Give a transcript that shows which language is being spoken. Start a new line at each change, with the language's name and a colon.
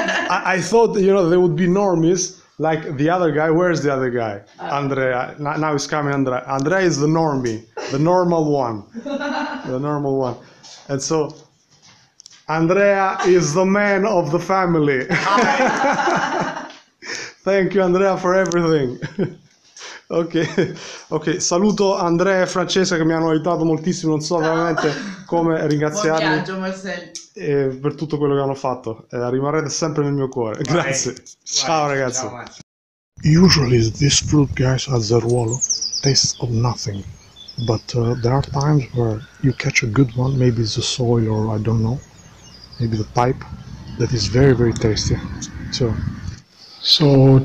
English: I thought, you know, they would be normies like the other guy. Where's the other guy? Andrea. Now he's coming, Andrea. Andrea is the normie, the normal one. The normal one. And so Andrea is the man of the family. Thank you, Andrea, for everything.
Italian: Ok, saluto Andrea e Francesca che mi hanno aiutato moltissimo, non so veramente come ringraziarli. Buon viaggio, Marcel. E per tutto quello che hanno fatto, rimarrete sempre nel mio cuore. Vai. Grazie. Vai. Ciao, ragazzi. Ciao,
English: usually this fruit, guys, a zeruolo, tastes of nothing, but there are times where you catch a good one, maybe it's the soil or I don't know, maybe the pipe, that is very very tasty. So